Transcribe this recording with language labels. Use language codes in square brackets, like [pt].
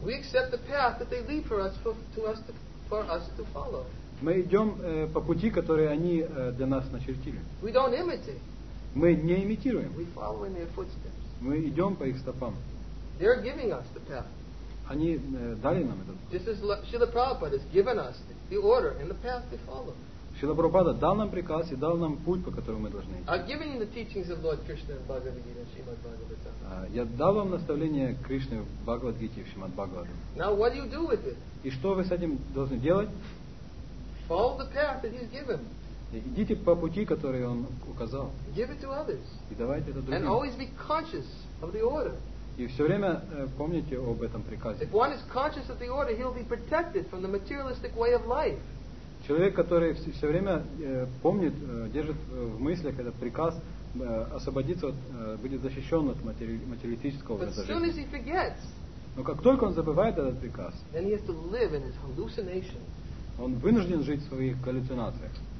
[en] We accept the path that they leave for us to follow. [ru] Мы идем по пути, который они для нас начертили. [en] We don't imitate. [ru] Мы не имитируем. [en] We follow in their footsteps. [ru] Мы идем по их стопам. [en] They're giving us the path. [ru] Они дали нам этот путь. [en] Srila Prabhupada has given us the order and the path to follow. [ru] Srila Prabhupada дал нам приказ и дал нам путь, по которому мы должны идти. [en] I've given you the teachings of Lord Krishna in Bhagavad Gita and Srimad Bhagavatam. [ru] Я дал вам наставление Кришны в Бхагавад Гите и в Шримад Бхагаватам. [en] Now what do you do with it? [ru] И что вы с этим должны делать? [en] Follow the path that he's given. [ru] Идите по пути, который он указал. [en] Give it to others. [ru] И давайте это другим. [en] And always be conscious of the order. [ru] И все время помните об этом приказе. [en] If one is conscious of the order, he'll be protected from the materialistic way of life. [ru] Человек, который все время помнит, держит в мыслях этот приказ, освободиться, будет защищен от материалистического образа жизни. [en] But soon as he forgets. [ru] Но как только он забывает этот приказ, [en] then he has to live in his hallucination. [ru] Он вынужден жить в своих галлюцинациях.